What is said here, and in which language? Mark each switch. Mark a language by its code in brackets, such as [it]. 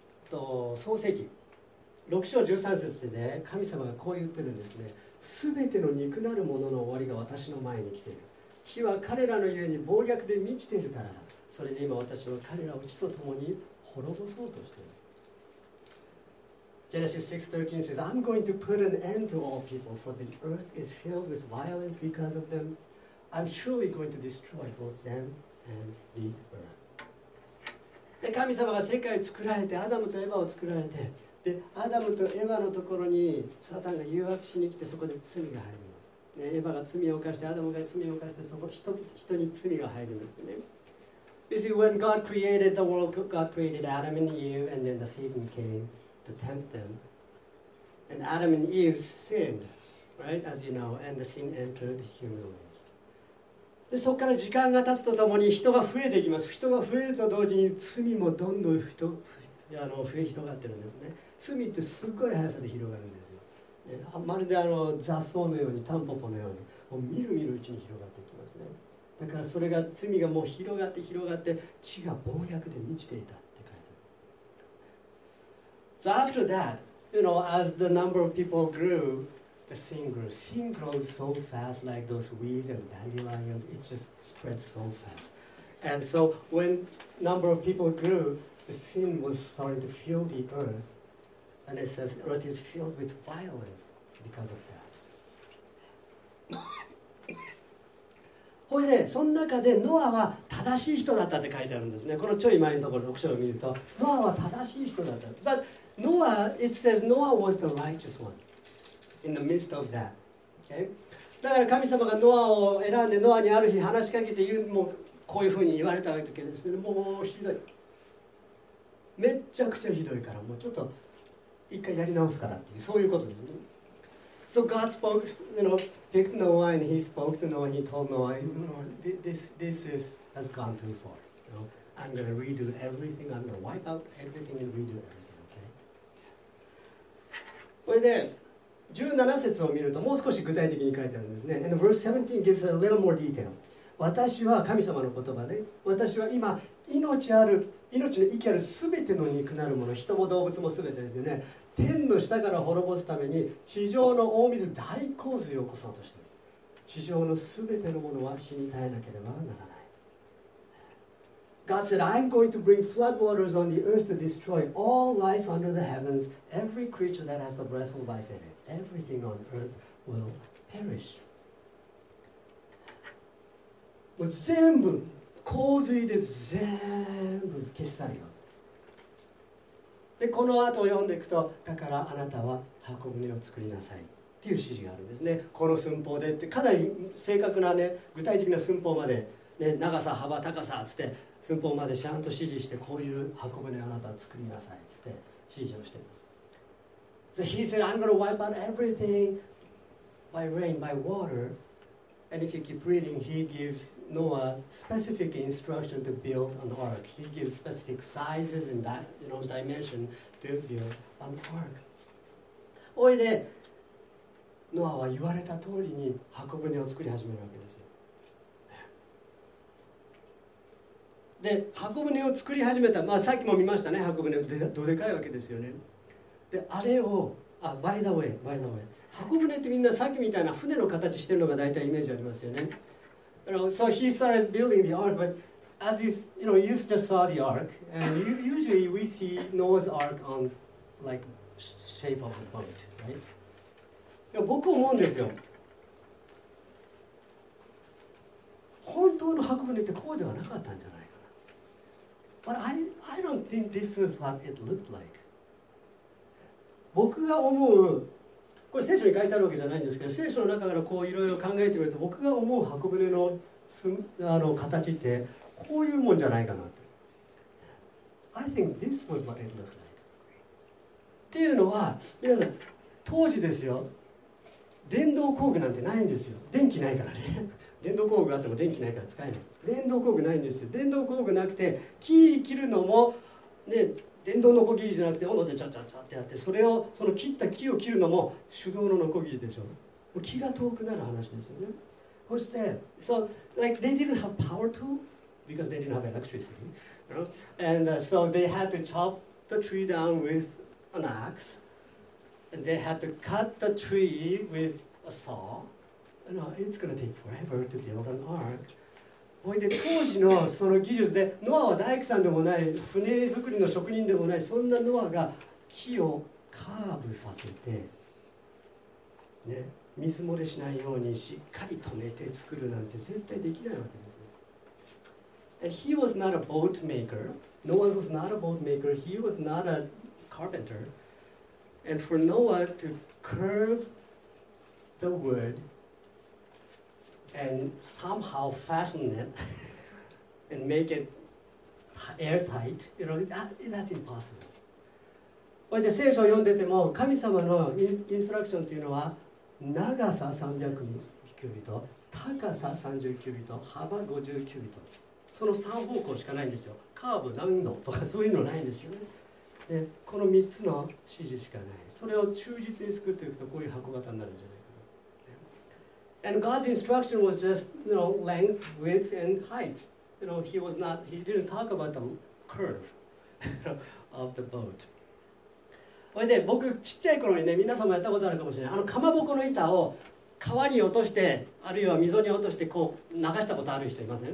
[ja] 創世記6章13節で、ね、神様がこう言ってるんですね。すべての肉なるものの終わりが私の前に来ている。地は彼らのゆえに暴虐で満ちているから、それで今私は彼らを地と共に滅ぼそうとしている。 [en] Genesis 6:13 says, I'm going to put an end to all people, for the earth is filled with violence because of them. I'm surely going to destroy both them and the earth. [ja] で、神様が世界を作られて、アダムとエヴァを作られて、でアダムとエヴァのところにサタンが誘惑しに来て、そこで罪が入ります。ね、エヴァが罪を犯して、アダムが罪を犯して、そこ 人に罪が入るんですよね。 [en] You see, when God created the world, God created Adam and Eve, and then the Satan came to tempt them. And Adam and Eve sinned, right? As you know, and the sin entered human ways. [ja] で、そこから時間が経つとともに人が増えていきます。人が増えると同時に罪もどんどん増え広がってるんですね。罪ってすごい速さで広がるんです。まるで雑草のようにタンポポのようにもうみるみるうちに広がっていきますね。だからそれが罪がもう広がって広がって、地が暴虐で満ちていたって書いてある。 [en] So after that, you know, as the number of people grew, the sin grew. Sin grows so fast, like those weeds and dandelions. It just spreads so fast. And so when number of people grew, the sin was starting to fill the earth. And it says, earth is filled with violence because of that. [ja] これで、その中でノアは正しい人だったって書いてあるんですね。このちょい前のところ、6章を見ると、ノアは正しい人だった。 [en] But Noah, it says, Noah was the righteous one in the midst of that. Okay? [ja] だから神様がノアを選んで、ノアにある日話しかけて言う、もうこういうふうに言われたわけですね。もうひどい。めっちゃくちゃひどいから、もうちょっと。一回やり直すからっていう、そういうことですね。 [en] So God spoke, you know, picked Noah and he spoke to Noah and he told Noah, you know, this has gone too far. You know, I'm going to redo everything. I'm going to wipe out everything and redo everything. Okay? [ja] これで、17節を見るともう少し具体的に書いてあるんですね。 [en] And verse 17 gives a little more detail. [ja] 私は、神様の言葉ね、私は今、命の息あるすべての肉なるもの、人も動物もすべてですね、天の下から滅ぼすために地上の大水大洪水を起こそうとしている。地上のすべてのものは死に絶えなければならない。 [en] God said, I'm going to bring floodwaters on the earth to destroy all life under the heavens, every creature that has the breath of life in it. Everything on earth will perish. [ja] もう全部洪水で全部消し去るよ。で、この後を読んでいくと、だからあなたは箱舟を作りなさいっていう指示があるんですね。この寸法でって、かなり正確なね、具体的な寸法まで、ね、長さ幅高さっつって寸法までちゃんと指示して、こういう箱舟をあなたは作りなさいっつって指示をしています。 [en] So he said, I'm going to wipe out everything by rain, by waterAnd if you keep reading, he gives Noah specific instruction to build an ark. He gives specific sizes and dimension to build an ark. [ja] おいで、ノアは言われた通りに箱舟を作り始めるわけですよ。で、箱舟を作り始めた、まあ、さっきも見ましたね、箱舟、どでかいわけですよね。で、あれを、あ、 [en] by the way. [ja] 箱舟ってみんなさっきみたいな船の形してるのが大体イメージありますよね。 [en] So he started building the ark, but as you, you know, you just saw the ark, and usually we see Noah's ark on like shape of a boat, right? [ja] でも僕思うんですよ。本当の箱舟ってこうではなかったんじゃないかな。 [en] But I don't think this is what it looked like. [ja] 僕が思う、これ聖書に書いてあるわけじゃないんですけど、聖書の中からこういろいろ考えてみると、僕が思う箱舟 の形ってこういうもんじゃないかなって。 [en] I think this was what it looked like. [ja] っていうのは、皆さん当時ですよ、電動工具なんてないんですよ。電気ないからね。電動工具があっても電気ないから使えない。電動工具ないんですよ。電動工具なくて、木切るのもね、電動のこぎりじゃなくて斧でチャチャチャってやって、それをその切った木を切るのも手動ののこぎりでしょ。気が遠くなる話ですよね。そして [en] so like they didn't have power tool because they didn't have electricity, you know? And so they had to chop the tree down with an axe, and they had to cut the tree with a saw. You know, it's gonna take forever to build an ark. [ja] で当時 の, その技術でノアは大工さんでもない、船作りの職人でもない、そんなノアが木をカーブさせて、ね、水漏れしないようにしっかり止めて作るなんて絶対できないわけですよ。 [en] And he was not a boat maker. Noah was not a boat maker. He was not a carpenter. And for Noah to curve the woodand somehow fasten it and make it airtight, you know, that's impossible. [ja] これで聖書を読んでても神様のインストラクションというのは長さ300キュビト、高さ30キュビト、幅50キュビト、その3方向しかないんですよ。カーブ、ダウンドとかそういうのないんですよね。でこの3つの指示しかない。それを忠実に作っていくとこういう箱型になるんじゃない。 [en] And God's instruction was just, you know, length, width, and height. You know, he didn't talk about the curve of the boat. [ja] それで僕ちっちゃい頃にね、皆さんもやったことあるかもしれない。あのかまぼこの板を川に落として、あるいは溝に落としてこう流したことある人いません？